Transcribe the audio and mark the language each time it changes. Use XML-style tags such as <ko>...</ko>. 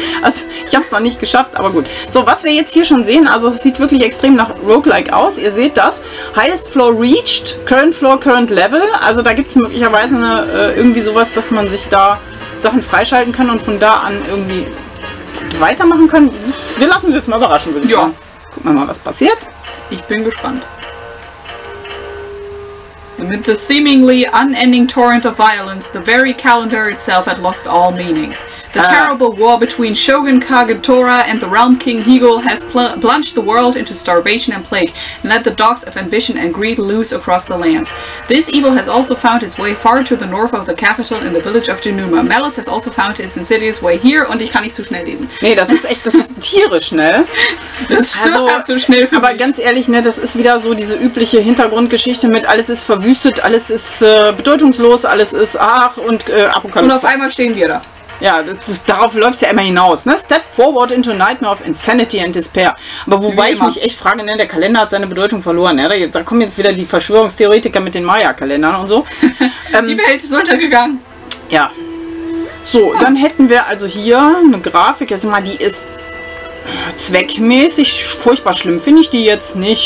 <de>Also ich habe es noch nicht geschafft, aber gut. So, was wir jetzt hier schon sehen, also es sieht wirklich extrem nach Roguelike aus. Ihr seht das. Highest Floor Reached, Current Floor, Current Level. Also da gibt es möglicherweise eine, irgendwie sowas, dass man sich da Sachen freischalten kann und von da an irgendwie weitermachen kann. Wir lassen uns jetzt mal überraschen, würde ich sagen. Gucken wir mal, was passiert. Ich bin gespannt.</de> <en>Amid the seemingly unending torrent of violence, the very calendar itself had lost all meaning. The terrible war between Shogun Kagetora and the Realm King Hegel has plunged the world into starvation and plague and let the dogs of ambition and greed loose across the lands. This evil has also found its way far to the north of the capital in the village of Genuma. Malice has also found its insidious way here.</en> <de>Und ich kann nicht zu schnell lesen. Nee, das ist echt, das ist tierisch schnell. Das ist super zu schnell für mich. Aber ganz ehrlich, ne, das ist wieder so diese übliche Hintergrundgeschichte mit alles ist verwüstet, alles ist bedeutungslos, alles ist ach und Apokalypse. Und auf einmal stehen wir da. Ja, darauf läuft es ja immer hinaus, ne?</de> <en>Step forward into nightmare of insanity and despair.</en> <de>Aber wobei ich mich echt frage, ne, der Kalender hat seine Bedeutung verloren, ne? Da kommen jetzt wieder die Verschwörungstheoretiker mit den Maya-Kalendern und so. Die Welt ist untergegangen. Ja. So, dann hätten wir also hier eine Grafik, also mal, die ist zweckmäßig furchtbar schlimm, finde ich die jetzt nicht.</de>